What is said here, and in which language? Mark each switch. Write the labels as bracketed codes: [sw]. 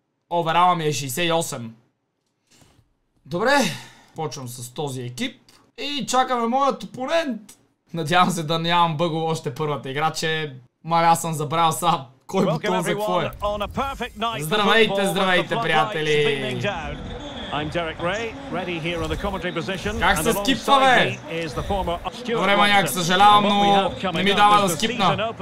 [bg] Оверала ми е 68. Добре, почвам с този екип. И чакаме моят опонент. Надявам се да нямам бъгло още първата игра, че мали аз съм забравял са кой бутон за какво е. Здравейте, здравейте, приятели. [en] I'm Derek Ray, ready here on the commentary position. [bg] Как се скипва, бе? Добре, маняк, съжалявам, но не ми дава да скипна.